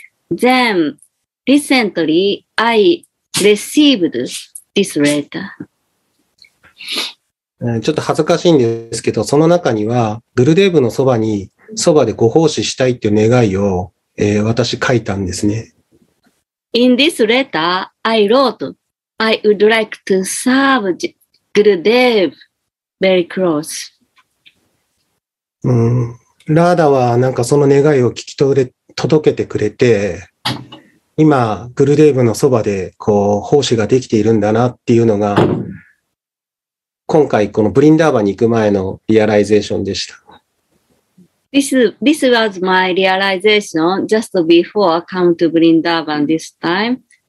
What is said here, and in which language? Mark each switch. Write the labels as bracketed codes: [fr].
[en] Then, recently, I received this letter. [ja] ちょっと恥ずかしいんですけど、その中には、グルデーブのそばでご奉仕したいっていう願いを、私書いたんですね。 [en] In this letter, I wrote, I would like to serve Gurudev very close. [ja] ラーダはなんかその願いを聞き取れ、届けてくれて、今、グルデーブのそばで、こう、奉仕ができているんだなっていうのが、今回、このブリンダーバに行く前のリアライゼーションでした。 [en] This was my realization just before I come to Vrindavan this time.